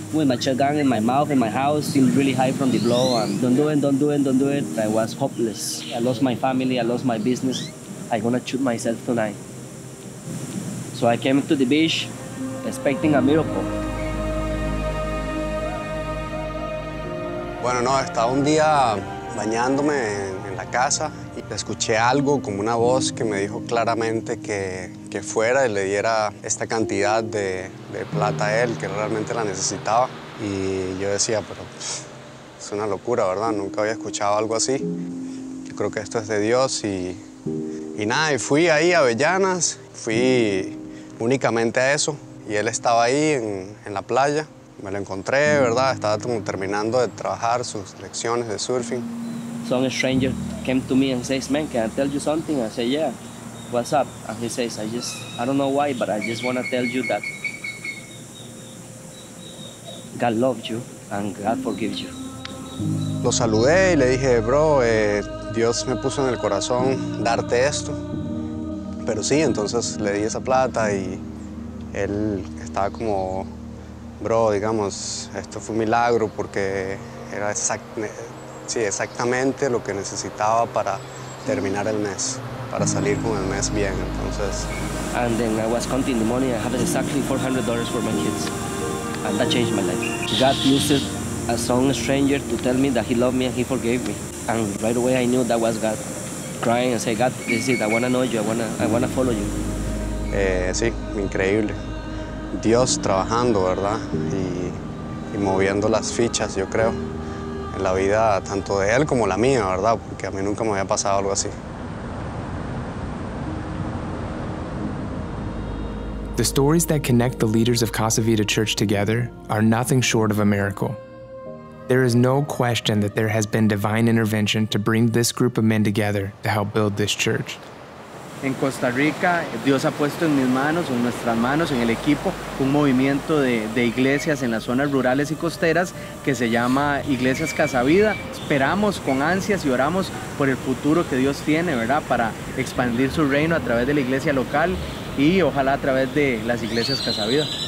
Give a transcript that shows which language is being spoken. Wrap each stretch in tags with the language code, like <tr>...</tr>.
<en>With my shotgun in my mouth, in my house, feel really high from the blow, and don't do it. I was hopeless. I lost my family, I lost my business. I'm gonna shoot myself tonight. So I came to the beach, expecting a miracle.</en> <es>Bueno, no, estaba un día bañándome en la casa y escuché algo como una voz que me dijo claramente que fuera y le diera esta cantidad de plata a él, que realmente la necesitaba. Y yo decía, pero es una locura, ¿verdad? Nunca había escuchado algo así. Yo creo que esto es de Dios y nada, y fui ahí a Avellanas. Fui únicamente a eso. Y él estaba ahí en la playa. Me lo encontré, ¿verdad? Estaba como terminando de trabajar sus lecciones de surfing.</es> <en>Some stranger came to me and says, man, can I tell you something? I said, yeah, what's up? And he says, I don't know why, but I just want to tell you that God loves you and God forgives you.</en> <es>Lo saludé y le dije, bro, Dios me puso en el corazón darte esto. Pero sí, entonces le di esa plata y él estaba como, bro, digamos, esto fue un milagro porque era exactamente lo que necesitaba para terminar el mes, para salir con el mes bien, entonces.</es> <en>And then I was counting the money. I have exactly $400 for my kids. And that changed my life. God used a some stranger to tell me that he loved me and he forgave me. And right away I knew that was God crying and say, God, this is it. I want to know you. I want to follow you.</en> <es>Sí, increíble. Dios trabajando, ¿verdad? Y moviendo las fichas, yo creo, en la vida tanto de él como la mía, ¿verdad? Porque a mí nunca me había pasado algo así.</es> <en>The stories that connect the leaders of Casa Vida Church together are nothing short of a miracle. There is no question that there has been divine intervention to bring this group of men together to help build this church.</en> <es>En Costa Rica, Dios ha puesto en mis manos, en nuestras manos, en el equipo, un movimiento de iglesias en las zonas rurales y costeras que se llama Iglesias Casa Vida. Esperamos con ansias y oramos por el futuro que Dios tiene, ¿verdad?, para expandir su reino a través de la iglesia local y ojalá a través de las Iglesias Casa Vida.</es>